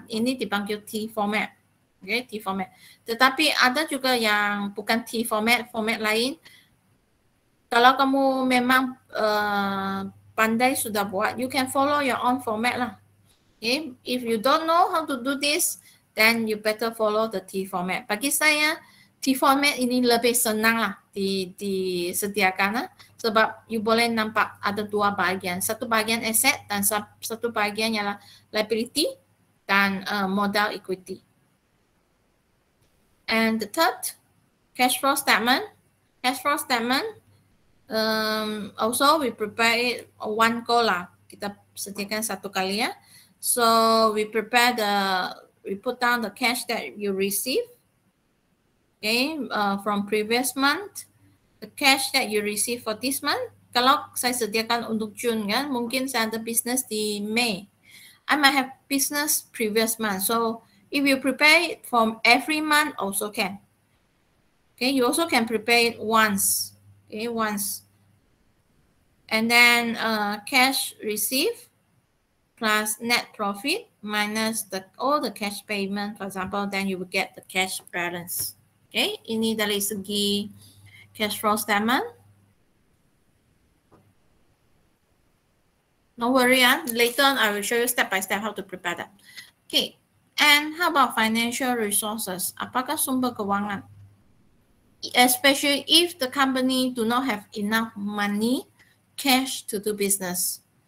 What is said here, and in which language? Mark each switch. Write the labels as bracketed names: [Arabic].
[Malay] Ini dipanggil T format. Okay, T format. Tetapi ada juga yang bukan T format, format lain. Kalau kamu memang pandai sudah buat, [English] you can follow your own format lah. Okay, if you don't know how to do this, then you better follow the T format. [Malay] Bagi saya, T format ini lebih senang lah disediakan lah. Sebab you boleh nampak ada dua bahagian. Satu bahagian asset dan satu bahagian ialah liability dan modal equity. [English] And the third, cash flow statement. Cash flow statement, also we prepare it one go lah. [Malay] Kita sediakan satu kali ya. [English] So we prepare the, we put down the cash that you receive. Okay, from previous month, the cash that you receive for this month. [Malay] Kalau saya sediakan untuk June kan, mungkin saya ada business di May. [English] I might have business previous month, so if you prepare it from every month, also can. Okay, you also can prepare it once. Okay, once. And then cash received plus net profit minus the all the cash payment, for example, then you will get the cash balance. [Malay] Okay, ini dari segi cash flow statement. [English] No worry, later on I will show you step by step how to prepare that. Okay. And how about financial resources? [Malay] Apakah sumber kewangan? [English] Especially if the company do not have enough money, cash to do business.